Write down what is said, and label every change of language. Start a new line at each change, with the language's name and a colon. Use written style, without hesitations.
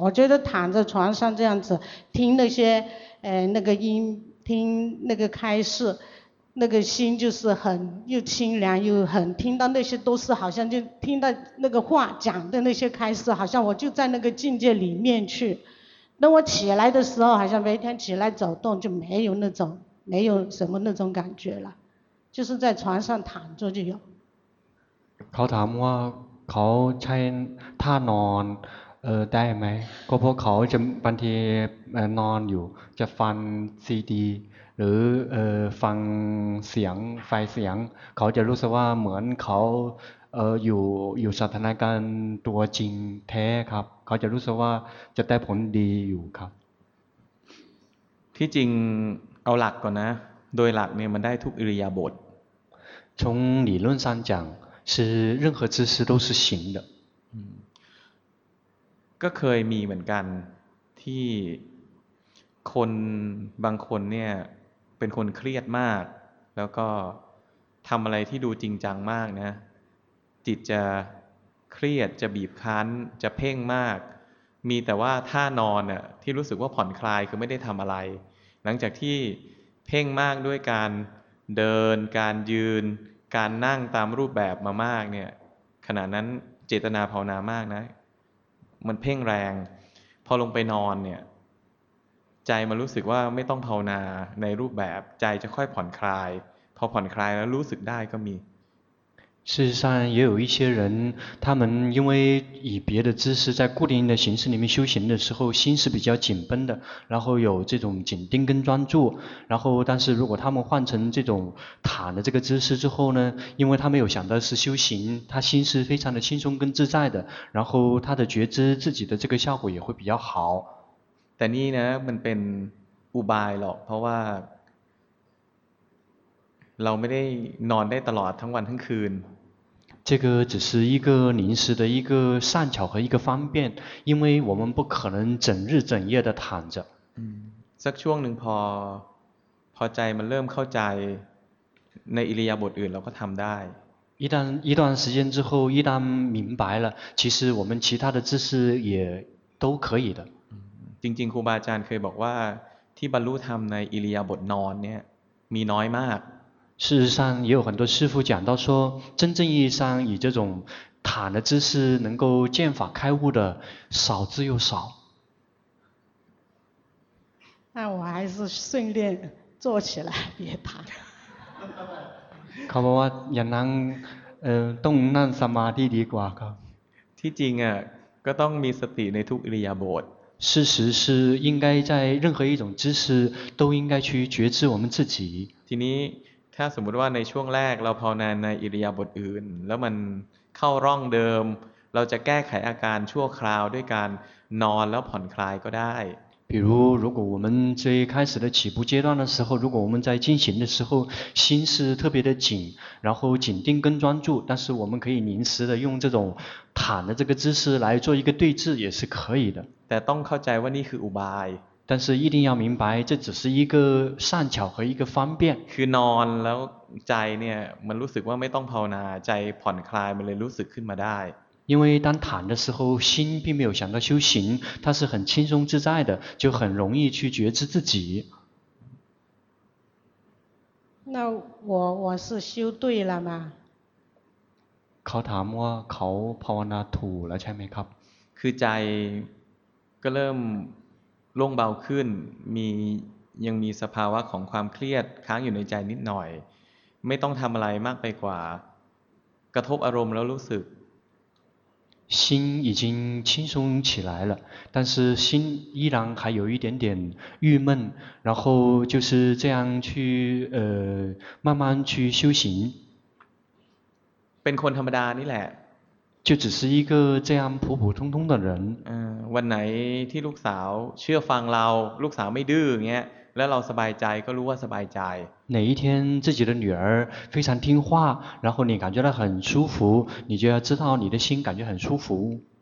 Chinese: 我觉得躺在床上这样子听那些那个音听那个开示，那个心就是很又清凉又很听到那些都是好像就听到那个话讲的那些开示，好像我就在那个境界里面去。那我起来的时候好像每天起来走动就没有那种没有什么那种感觉了，就是在床上躺着就有。
Thai: เขาถามว่าเขาใช้ท่านอนได้ไหมก็เพราะเขาจะบางทีนอนอยู่จะฟังซีดีหรือฟังเสียงไฟเสียงเขาจะรู้สึกว่าเหมือนเขาอยู่สถานการณ์ตัวจริงแท้ครับเขาจะรู้สึกว่าจะได้ผลดีอยู่ครับ ที่จริงเอาหลักก่อนนะโดยหลักเนี่ยมันได้ทุกอิริยาบถ
Chinese: 从理论上讲是任何姿势都是行的
Thai: ก็เคยมีเหมือนกันที่คนบางคนเนี่ยเป็นคนเครียดมากแล้วก็ทำอะไรที่ดูจริงจังมากนะจิตจะเครียดจะบีบคั้นจะเพ่งมากมีแต่ว่าท่านอนอ่ะที่รู้สึกว่าผ่อนคลายคือไม่ได้ทำอะไรหลังจากที่เพ่งมากด้วยการเดินการยืนการนั่งตามรูปแบบมามากเนี่ยขณะนั้นเจตนาภาวนามากนะ มันเพ่งแรงพอลงไปนอนเนี่ยใจมันรู้สึกว่าไม่ต้องภาวนาในรูปแบบใจจะค่อยผ่อนคลายพอผ่อนคลายแล้วรู้สึกได้ก็มี
Chinese: 事实上也有一些人他们因为以别的姿势在固定的形式里面修行的时候心是比较紧绷的然后有这种紧盯跟专注然后但是如果他们换成这种躺的这个姿势之后呢因为他没有想到是修行他心是非常的轻松跟自在的然后他的觉知自己的这个效果也会比较好
Thai: แต่นี่นะมันเป็นอุบายหรอกเพราะว่าเราไม่ได้นอนได้ตลอดทั้งวันทั้งคืน
Chinese: 这个只是一个临时的一个善巧和一个方便因为我们不可能整日整夜的躺着
Thai: สักช่วงหนึ่งพอใจมันเริ่มเข้าใจในอิริยาบถอื่นเราก็ทำได้
Chinese: 一段时间之后一旦明白了其实我们其他的姿势也都可以的
Thai: จริงๆครูบาอาจารย์เคยบอกว่าที่บรรลุธรรมในอิริยาบถนอนเนี่ยมีน้อยมาก
Chinese: 事实上也有很多师父讲到说真正意义上以这种躺的姿势能够见法开悟的少之又少那我还是训练坐起来别躺เ
Thai: ขาบอกว่าอย่านั่งต้องนั่งสมาธิดีกว่าครับ ที่จริงอ่ะก็ต้องมีสติในทุกอิริยาบถ
Chinese: 事实是应该在任何一种姿势都应该去觉知我们自己
Thai: ทีนี้ถ้าสมมติว่าในช่วงแรกเราภาวนาในอิริยาบถอื่นแล้วมันเข้าร่องเดิมเราจะแก้ไขอาการชั่วคราวด้วยการนอนแล้วผ่อนคลายก็ได้
Chinese: 比如如果我们最开始的起步阶段的时候如果我们在进行的时候心是特别的紧然后紧盯跟专注但是我们可以临时的用这种躺的这个姿势来做一个对峙也是可以的
Thai: แต่ต้องเข้าใจว่านี่คืออุบาย
Chinese: แต่一定要明白这只是一个善巧和一个方便
Thai: คือนอนแล้วใจเนี่ยมันรู้สึกว่าไม่ต้องภาวนาใจผ่อนคลายมันเลยรู้สึกขึ้นมาได้
Chinese: 因为当躺的时候心并没有想到修行，它是很轻松自在的，就很容易去觉知自己。那我是修对了吗？
Thai: เขาถามว่าเขาภาวนาถูกแล้วใช่ไหมครับ คือใจก็เริ่มโล่งเบาขึ้นมียังมีสภาวะของความเครียดค้างอยู่ในใจนิดหน่อยไม่ต้องทำอะไรมากไปกว่ากระทบอารมณ์แล้วรู้สึก
Chinese: 心已经轻松起来了，但是心依然还有一点点郁闷，然后就是这样去慢慢去修行。
Thai: เป็นคนธรรมดานี่แหละ
Chinese: 就只是一个这样普普通通的人
Thai: วันไหนที่ลูกสาวเชื่อฟังเราลูกสาวไม่ดื้อเงี้ยแล้วเราสบายใจก็รู้ว่าสบายใจ
Chinese: 哪一天自己的女儿非常听话然后你感觉到很舒服你就要知道你的心感觉很舒服